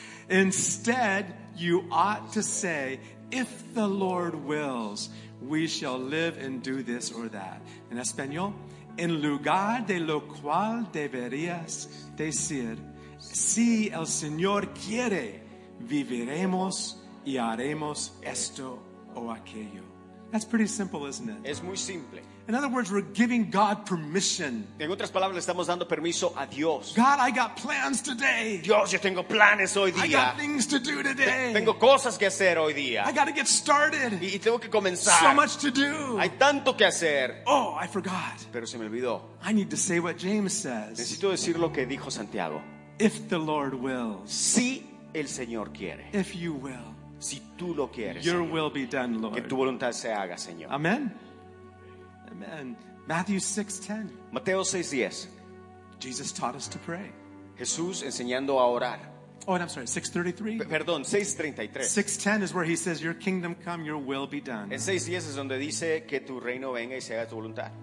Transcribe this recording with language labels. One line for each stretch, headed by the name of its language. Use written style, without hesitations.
English: Instead, you ought to say, if the Lord wills, we shall live and do this or that.
Spanish: En español, en lugar de lo cual deberías decir, si el Señor quiere, viviremos y haremos esto o aquello.
English: That's pretty simple, isn't it?
Spanish: Es muy simple.
English: In other words, we're giving God permission.
Spanish: En otras palabras, estamos dando permiso a Dios.
English: God, I got plans today.
Spanish: Dios, yo tengo planes hoy día.
English: I got things to do today.
Spanish: Tengo cosas que hacer hoy día.
English: I got to get started.
Spanish: Y tengo que comenzar.
English: So much to do.
Spanish: Hay tanto que hacer.
English: Oh, I forgot.
Spanish: Pero se me olvidó.
English: I need to say what James says.
Spanish: Necesito decir lo que dijo Santiago.
English: If the Lord wills.
Spanish: Si el Señor quiere.
English: If you will.
Spanish: Si tú lo quieres.
English: Your
Spanish: Señor.
English: Will be done, Lord.
Spanish: Que tu voluntad se haga, Señor.
English: Amen. Amen. Matthew 6:10.
Spanish: Mateo 6:10.
English: Jesus taught us to pray.
Spanish: Jesús enseñando a orar.
English: Oh, and I'm sorry, 6:33.
Spanish: Perdón, 6:33.
English: 6:10 is where he says, your kingdom come, your will be done.
Spanish: En 6:10 es donde dice que tu reino venga y se haga tu voluntad.